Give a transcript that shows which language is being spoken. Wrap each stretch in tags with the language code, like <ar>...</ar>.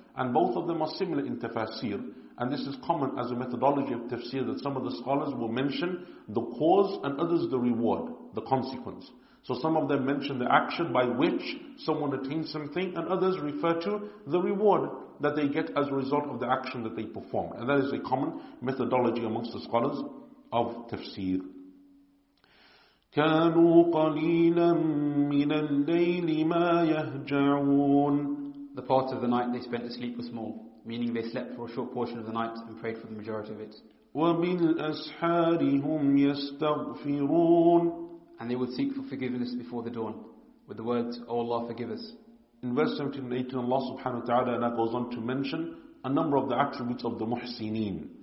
<en>And both of them are similar in tafsir. And this is common as a methodology of tafsir, that some of the scholars will mention the cause and others the reward, the consequence. So some of them mention the action by which someone attains something, and others refer to the reward that they get as a result of the action that they perform. And that is a common methodology amongst the scholars of tafsir.</en> <ar>كانوا قليلا من الليل ما يهجعون.</ar> <en>The part of the night they spent asleep was small, meaning they slept for a short portion of the night and prayed for the majority of it.</en> <ar>وبالأسحار هم يستغفرون.</ar> <en>And they would seek for forgiveness before the dawn, with the words, O Allah, forgive us. In verse 17 and 18, Allah subhanahu wa ta'ala now goes on to mention a number of the attributes of the muhsineen.</en>